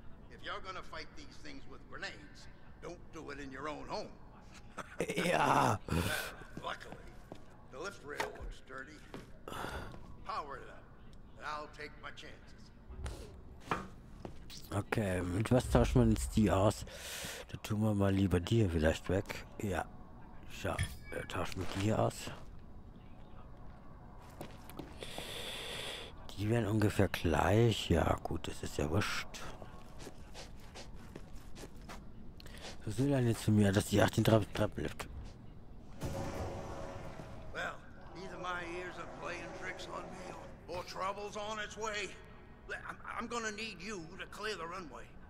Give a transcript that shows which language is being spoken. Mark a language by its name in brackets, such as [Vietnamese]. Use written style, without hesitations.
[English] If you're gonna fight these things with grenades, don't do it in your own home. Yeah. Luckily, the lift rail looks dirty. Power it up, and I'll take my chances. [German] Okay, mit was tauschen wir jetzt die aus? Da tun wir mal lieber die hier vielleicht weg. Ja. Schau, wir tauschen die hier aus. Die werden ungefähr gleich. Ja, gut, das ist ja wurscht. Was will er jetzt von mir, dass die 18 Treppen lift? [English] Well, either my ears are playing tricks on me or trouble's on its way. I'm gonna need you to clear the runway.